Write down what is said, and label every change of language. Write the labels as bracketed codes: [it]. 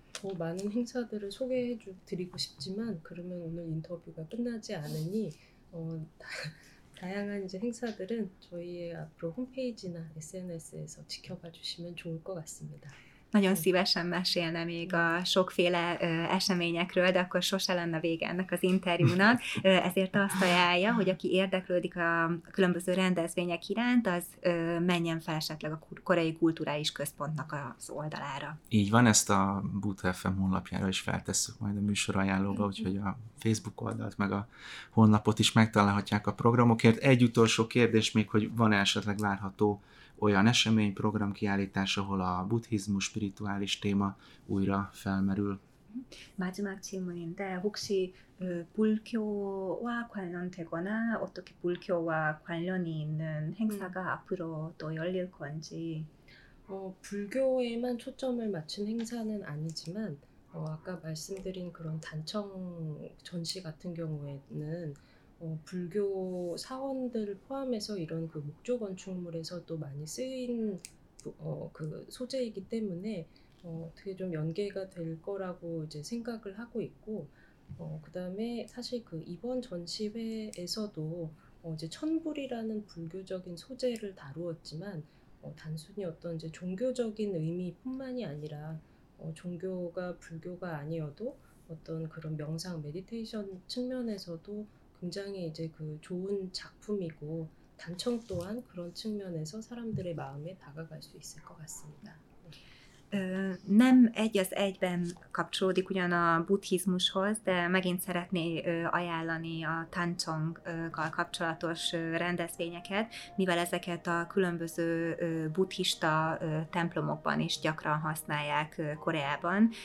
[ko] 더 많은 행사들을 소개해 드리고 싶지만 그러면 오늘 인터뷰가 끝나지 않으니 다양한 이제 행사들은 저희의 앞으로 홈페이지나 SNS에서 지켜봐 주시면 좋을 것 같습니다. [hu] 나연 씨가 mesélne még a sokféle eseményekről, de akkor sose lenne vége ennek az interjúnak. Ezért azt ajánlja, hogy aki érdeklődik a különböző rendezvények iránt, az menjen fel esetleg a Koreai Kulturális Központnak az oldalára. Így van, ezt a Buta FM honlapjára is feltesszük majd a műsor ajánlóba, úgyhogy a Facebook oldalt meg a honlapot is megtalálhatják a programokért. Egy utolsó kérdés még, hogy van esetleg várható olyan esemény, programkiállítás, ahol a buddhizmus, spirituális téma újra felmerül. [ko] 마지막 질문인데 혹시 불교와 관련되거나 어떻게 불교와 관련이 있는 행사가 앞으로 또 열릴 건지? 불교에만 초점을 맞춘 행사는 아니지만 아까 말씀드린 그런 단청 전시 같은 경우에는 불교 사원들을 포함해서 이런 그 목조 건축물에서 또 많이 쓰인 그 소재이기 때문에 어떻게 좀 연계가 될 거라고 이제 생각을 하고 있고 그다음에 사실 그 이번 전시회에서도 이제 천불이라는 불교적인 소재를 다루었지만 단순히 어떤 이제 종교적인 의미뿐만이 아니라 종교가 불교가 아니어도 어떤 그런 명상 메디테이션 측면에서도 굉장히 이제 그 좋은 작품이고 단청 또한 그런 측면에서 사람들의 마음에 다가갈 수 있을 것 같습니다. [hu] nem egy az egyben kapcsolódik ugyan a buddhizmushoz, de megint szeretné ajánlani a tancsonggal kapcsolatos rendezvényeket, mivel ezeket a különböző buddhista templomokban is gyakran használják Koreában.